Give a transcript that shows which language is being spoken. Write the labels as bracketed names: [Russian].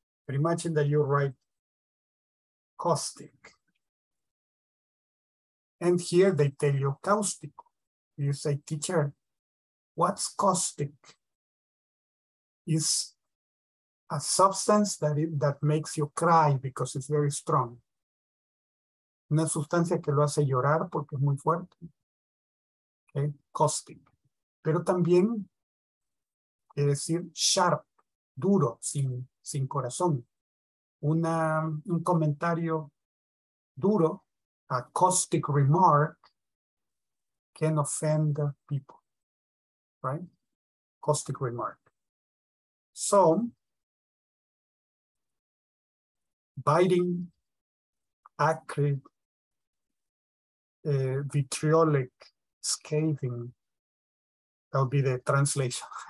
[English] But imagine that you write caustic. And here they tell you caustic. You say, teacher, what's caustic? It's a substance that makes you cry because it's very strong. [Spanish] Una sustancia que lo hace llorar porque es muy fuerte. [English] Okay, caustic. [Spanish] Pero también quiere decir sharp, duro, sin corazón. Un comentario duro, [English] a caustic remark, can offend people, right? Caustic remark. So, biting, acrid, vitriolic, scathing, that would be the translation.